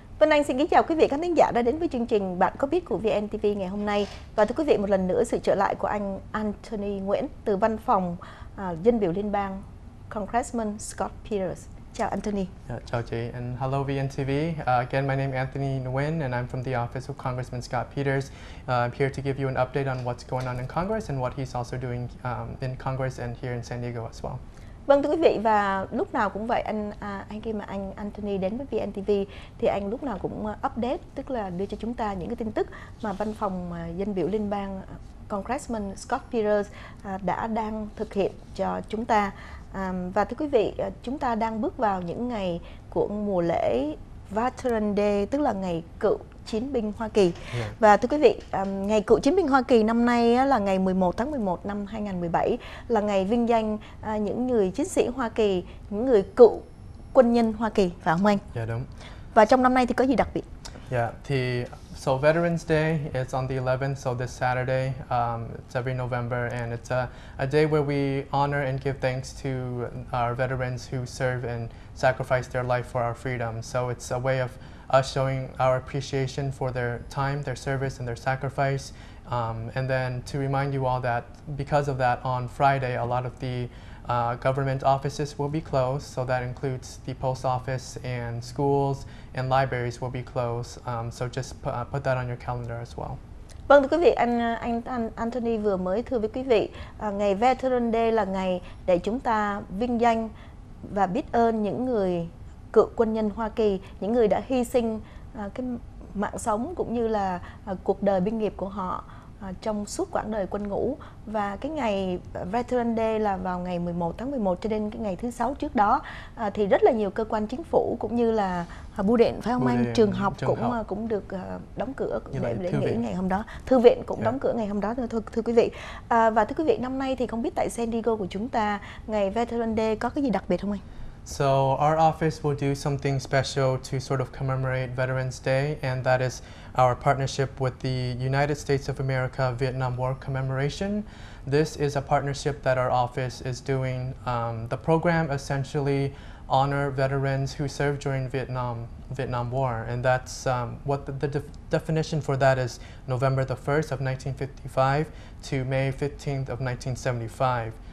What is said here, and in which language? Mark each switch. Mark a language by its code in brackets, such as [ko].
[vi] Anh xin kính chào quý vị khán thính giả đã đến với chương trình Bạn Có Biết của VNTV ngày hôm nay. Và thưa quý vị, một lần nữa sự trở lại của anh Anthony Nguyễn từ văn phòng dân biểu liên bang Congressman Scott Peters. Chào Anthony. Chào chị. [en] And hello VNTV. Again, my name is Anthony Nguyen and I'm from the office of Congressman Scott Peters. I'm here to give you an update on what's going on in Congress and what he's also doing in Congress and here in San Diego as well. [vi] Vâng, thưa quý vị, và lúc nào cũng vậy, anh khi mà anh Anthony đến với VNTV thì anh lúc nào cũng update, tức là đưa cho chúng ta những cái tin tức mà văn phòng dân biểu liên bang Congressman Scott Peters đã đang thực hiện cho chúng ta. Và thưa quý vị, chúng ta đang bước vào những ngày của mùa lễ Veteran Day, tức là ngày cựu chiến binh Hoa Kỳ. Và thưa quý vị, ngày cựu chiến binh Hoa Kỳ năm nay là ngày 11 tháng 11 năm 2017, là ngày vinh danh những người chiến sĩ Hoa Kỳ, những người cựu quân nhân Hoa Kỳ, phải không anh? Dạ đúng. Và trong năm nay thì có gì đặc biệt? [en] Dạ, thì so Veterans Day is on the 11th, so this Saturday, it's every November, and it's a day where we honor and give thanks to our veterans who serve and sacrifice their life for our freedom. So it's a way of us showing our appreciation for their time, their service, and their sacrifice. And then to remind you all that because of that, on Friday, a lot of the government offices will be closed. So that includes the post office and schools and libraries will be closed. So just put that on your calendar as well. [vi] Vâng, thưa quý vị, anh Anthony vừa mới thưa với quý vị, ngày Veteran Day là ngày để chúng ta vinh danh và biết ơn những người cựu quân nhân Hoa Kỳ, những người đã hy sinh cái mạng sống cũng như là cuộc đời binh nghiệp của họ trong suốt quãng đời quân ngũ. Và cái ngày Veteran Day là vào ngày 11 tháng 11 cho đến cái ngày thứ 6 trước đó, thì rất là nhiều cơ quan chính phủ cũng như là bưu điện, phải không anh, trường học cũng được đóng cửa để nghỉ ngày hôm đó, thư viện cũng đóng cửa ngày hôm đó nữa. Thưa quý vị, và thưa quý vị, năm nay thì không biết tại San Diego của chúng ta ngày Veteran Day có cái gì đặc biệt không anh? [en] So our office will do something special to sort of commemorate Veterans Day, and that is our partnership with the United States of America Vietnam War Commemoration. This is a partnership that our office is doing. The program essentially honor veterans who served during Vietnam War, and that's what the definition for that is: November the 1st of 1955 to May 15th of 1975.